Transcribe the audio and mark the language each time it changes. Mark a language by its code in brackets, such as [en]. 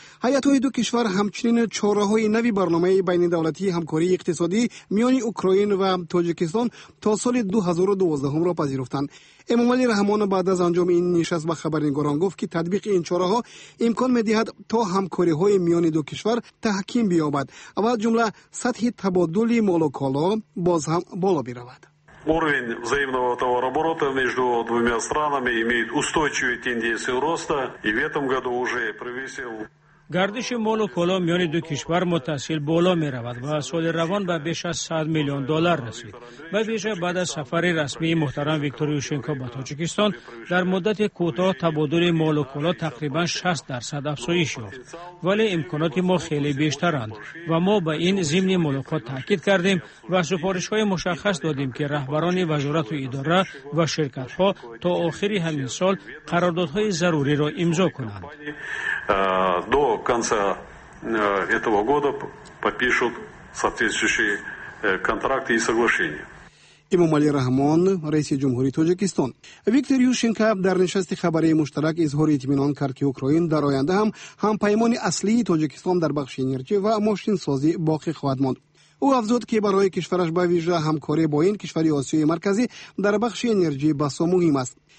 [fa] هیئت های دو کشور همچنین چاره های نوی برنامه بین دولتی همکاری اقتصادی میان اوکراین و تاجیکستان تا سال 2012 را پذیرفتند. امام علی رحمان بعد از انجام این نشست با خبرنگاران گفت که تطبیق این چاره ها امکان می دهد تا همکاری های میان دو کشور تحکیم بیابد و از جمله سطح تبادل مال و کالا باز هم بالا برود. [ru] уровень взаимного товарооборота между двумя странами имеет устойчивую тенденцию роста и в этом году уже превысил. [fa] گردش مال و کالا میان دو کشور متصل بالا می رود و سال روان به بیش از 100 میلیون دلار رسید. و ویژه بعد از سفر رسمی محترم ویکتور یوشنکو به تاجیکستان در مدت کوتاه تبادل مال و کالا تقریبا 60% افزایش یافت. ولی امکانات ما خیلی بیشترند و ما به این ضمن ملاقات تاکید کردیم و سفارش های مشخص دادیم که رهبران وزارت و اداره و شرکت ها تا آخر همین سال قراردادهای ضروری را امضا کنند. [ru] До конца этого года подпишут соответствующие контракты и соглашения. [fa] امام علی رحمان رئیس جمهوری تاجیکستان. ویکتور یوشنکا در نشست خبری مشترک اظهار اطمینان کرد که اوکراین در آینده هم پیمان اصلی تاجیکستان در بخش انرژی و ماشین سازی باقی خواهد ماند. او افزود که برای کشورش به ویژه همکاری با این کشوری آسیای مرکزی در بخش انرژی بسا مهم است.